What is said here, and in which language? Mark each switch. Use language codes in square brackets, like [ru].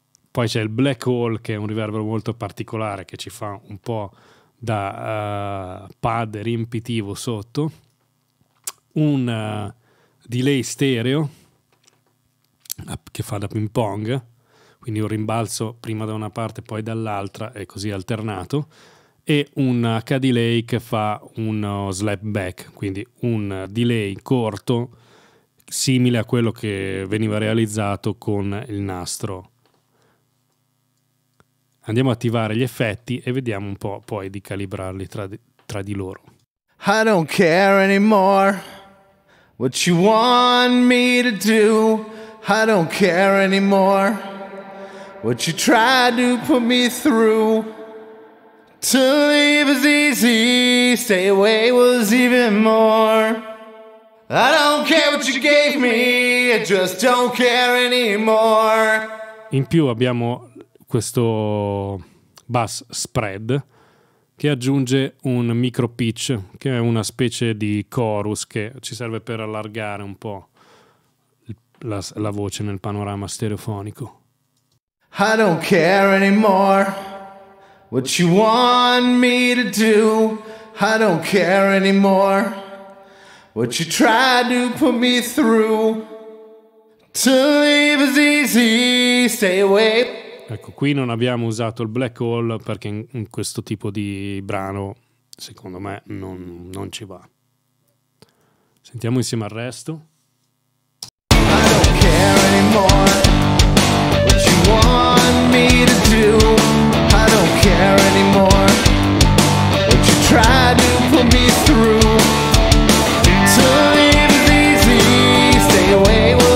[it] Poi c'è il Black Hole, che è un riverbero molto particolare, che ci fa un po' da pad riempitivo sotto, un delay stereo che fa da ping pong, quindi un rimbalzo prima da una parte poi dall'altra e così alternato, e un K-delay che fa un slap back, quindi un delay corto simile a quello che veniva realizzato con il nastro. Andiamo a attivare gli effetti e vediamo un po' poi di calibrarli tra di loro. [en] I don't care anymore what you want me to do. I don't care anymore what you try to put me through. To leave was easy, stay away was even more. I don't care what you gave me, I just don't care anymore. [it] In più abbiamo questo bass spread che aggiunge un micro pitch, che è una specie di chorus che ci serve per allargare un po' la voce nel panorama stereofonico. [en] I don't care anymore what you want me to do. I don't care anymore what you try to put me through. To leave is easy, stay away. [it] Ecco, qui non abbiamo usato il Black Hole perché in questo tipo di brano, secondo me, non ci va. Sentiamo insieme al resto. [en] I don't care anymore what you want me to do. I don't care anymore what you try to put me through. To leave it easy, stay away.